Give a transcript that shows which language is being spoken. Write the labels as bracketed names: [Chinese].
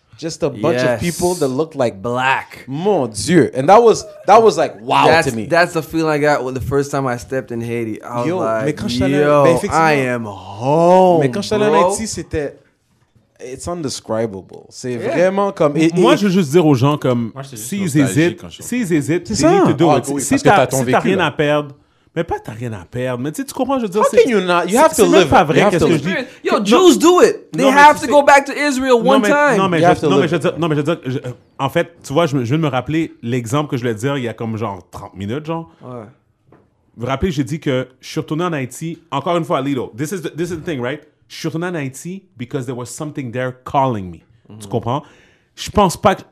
[English] Just a bunch of people that looked like black. [French] Mon Dieu. [English] And that was like wow that's, to me. That's the feeling I got the first time I stepped in Haiti. I am home. [French] Mais quand je suis allé en Haïti, c'était. [English] It's indescribable. [French] C'est vraiment comme. Moi, je veux juste dire aux gens comme. S'ils hésitent, c'est ça. Si t'as rien à perdre. Mais pas t'as rien à perdre. Mais tu comprends, je veux dire. [English] How can you not? You have to live. [French] C'est même pas vrai qu'est-ce que je dis. [English] Yo, Jews do it. They have to go back to Israel one time. [French] Non, mais je veux dire. En fait, tu vois, je viens de me rappeler l'exemple que je voulais dire il y a comme genre 30 minutes, genre. Vous vous rappelez, j'ai dit que je suis retourné en Haïti. Encore une fois, Lido. [English] This is the thing, right? [French] Je suis retourné en Haïti [English] because there was something there calling me. [French] Mm-hmm. Tu comprends? Je pense pas que...